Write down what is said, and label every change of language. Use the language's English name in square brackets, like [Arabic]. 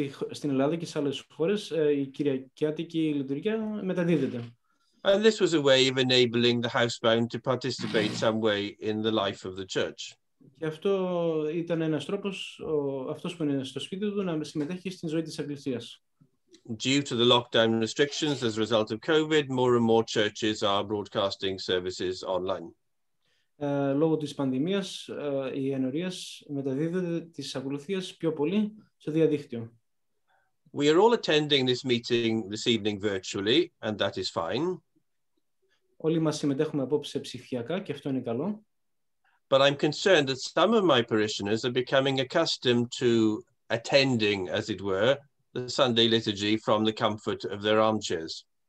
[Greek] Στην Ελλάδα και σε άλλες χώρες, η Κυριακιάτικη λειτουργία μεταδίδεται. [English] And this was a way of enabling the housebound to participate some way in the life of the church. [Greek] Και αυτό ήταν ένας τρόπος, αυτός που είναι στο σπίτι του, να συμμετέχει στην ζωή της εκκλησίας. [English] Due to the lockdown restrictions as a result of COVID, more and more churches are broadcasting services online. [Greek] Λόγω της πανδημίας, οι ενορίες μεταδίδονται τις ακολουθίες πιο πολύ στο διαδίκτυο. [English] We are all attending this meeting this evening virtually, and that is fine. [Greek] Όλοι μας συμμετέχουμε απόψε ψηφιακά και αυτό είναι καλό. [English] But I'm concerned that some of my parishioners are becoming accustomed to attending, as it were, the Sunday liturgy from the comfort of their armchairs.